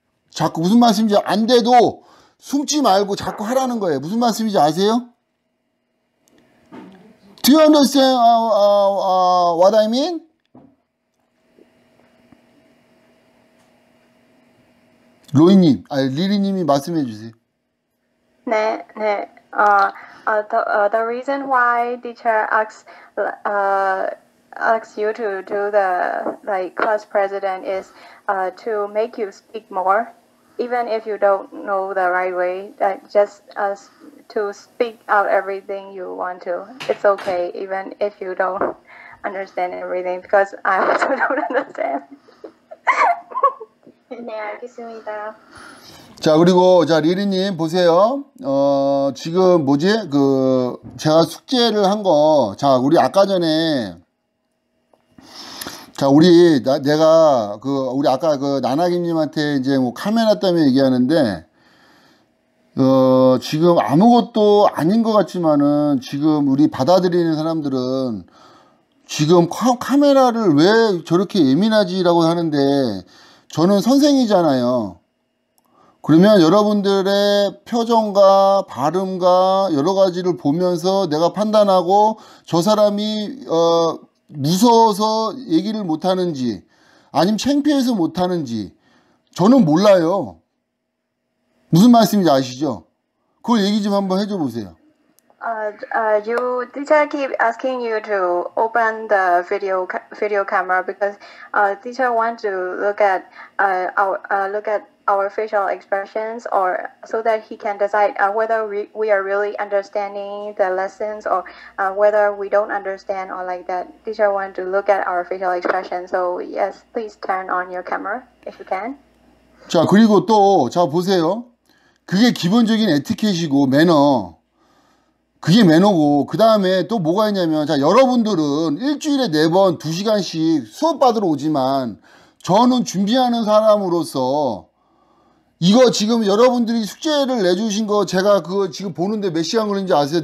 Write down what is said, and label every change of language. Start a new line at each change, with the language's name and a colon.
Korean: 자꾸 무슨 말씀인지 안 돼도, 숨지 말고 자꾸 하라는 거예요. 무슨 말씀인지 아세요?
English: Do you understand what I mean?
Korean: 로이님, 아니 리리님이 말씀해 주세요. 네, 네.
English: The reason why teacher asks you to do the like class president is to make you speak more. Even if you don't know the right way, that just to speak out everything you want to, it's okay. Even if you don't understand everything, because I also don't understand.
Korean: 네, 알겠습니다. 자, 그리고 자 리리님 보세요. 지금 뭐지? 그 제가 숙제를 한 거. 자, 우리 아까 전에. 자, 우리 아까 그 나나김님한테 이제 뭐 카메라 때문에 얘기하는데, 지금 아무것도 아닌 것 같지만은 지금 우리 받아들이는 사람들은 지금 카메라를 왜 저렇게 예민하지라고 하는데, 저는 선생이잖아요. 그러면 여러분들의 표정과 발음과 여러 가지를 보면서 내가 판단하고 저 사람이, 무서워서 얘기를 못하는지 아니면 창피해서 못하는지 저는 몰라요. 무슨 말씀인지 아시죠? 그걸 얘기 좀 한번 해줘 보세요.
English: You teacher keep asking you to open the video camera because teacher want to look at our facial expressions or so that he can decide whether we are really understanding the lessons or whether we don't understand or like that. Teacher want to look at our facial expressions. So yes, please turn on your camera if you can.
Korean: 자 그리고 또 자 보세요. 그게 기본적인 에티켓이고 매너. 그게 매너고 그 다음에 또 뭐가 있냐면 자 여러분들은 일주일에 네 번 두 시간씩 수업 받으러 오지만 저는 준비하는 사람으로서 이거 지금 여러분들이 숙제를 내주신 거 제가 그거 지금 보는데 몇 시간 걸렸는지 아세요?